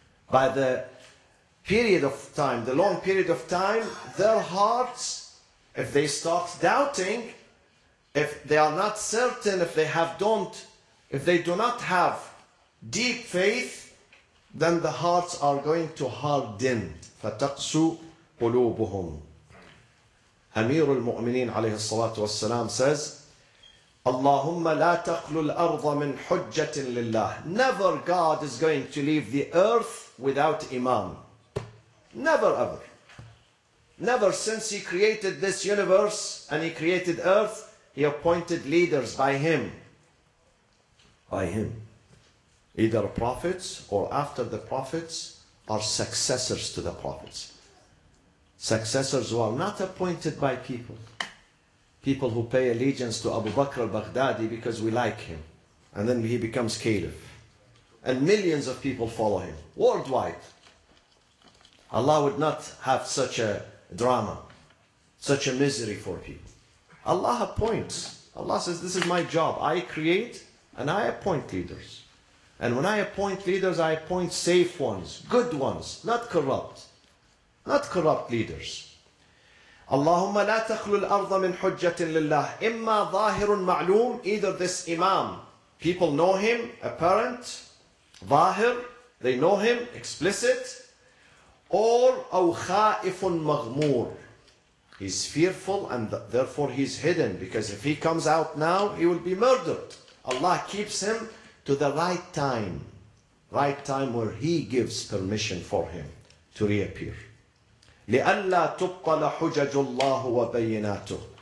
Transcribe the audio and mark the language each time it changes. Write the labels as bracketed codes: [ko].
[en] By the period of time, the long period of time, their hearts, if they start doubting, if they are not certain, if they have don't, if they do not have deep faith, then the hearts are going to harden. [ar] فَتَقْسُوا قُلُوبُهُمْ. أمير المؤمنين عليه الصلاة والسلام [en] says, [ar] اللهم لا تقل الأرض من حجة لله. [en] Never God is going to leave the earth without Imam. Never ever. Never since he created this universe and he created earth, he appointed leaders by him. By him. Either prophets or after the prophets are successors to the prophets. Successors who are not appointed by people. People who pay allegiance to Abu Bakr al-Baghdadi because we like him. And then he becomes caliph. And millions of people follow him. Worldwide. Allah would not have such a drama. Such a misery for people. Allah appoints. Allah says, this is my job. I create and I appoint leaders. And when I appoint leaders, I appoint safe ones. Good ones. Not corrupt. Not corrupt leaders. [ar] اللهم لا تخلو الأرض من حجة لله. إما ظاهر معلوم. [en] Either this imam, people know him, apparent, ظاهر, they know him, explicit. Or [ar] أو خائف مغمور. [en] He's fearful and therefore he's hidden. Because if he comes out now, he will be murdered. Allah keeps him to the right time. Right time where he gives permission for him to reappear. [ar] لِأَلَّا تُبْطَلَ حُجَجُ اللَّهُ وَبَيِّنَاتُهُ.